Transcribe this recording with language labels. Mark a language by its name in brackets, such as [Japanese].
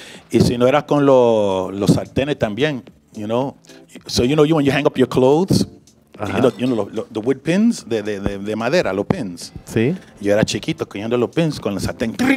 [Spanish] Y si no era con los sartenes también. [English] You know, so you know you when you hang up your clothes, uh-huh. You know the wood pins, the madera, los pins. [Spanish] Sí. Yo era chiquito cogiendo los pins con la sartén.